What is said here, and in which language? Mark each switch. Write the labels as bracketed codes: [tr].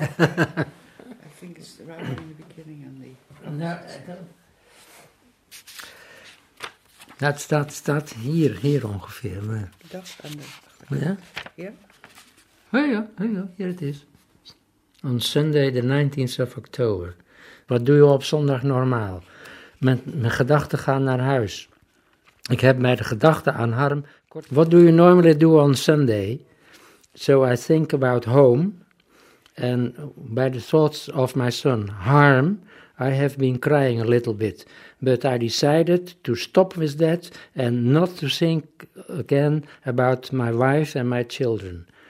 [en] I think it's right in the beginning. That's here ongeveer. That's under. Yeah? Yeah. Oh yeah, here it is. On Sunday, the 19th of October. [nl] Wat doe je op zondag normaal? Mijn gedachten gaan naar huis. Ik heb mij de gedachten aan harm. [en] What do you normally do on Sunday? So I think about home. And by the thoughts of my son, harm, I have been crying a little bit. But I decided to stop with that and not to think again about my wife and my children.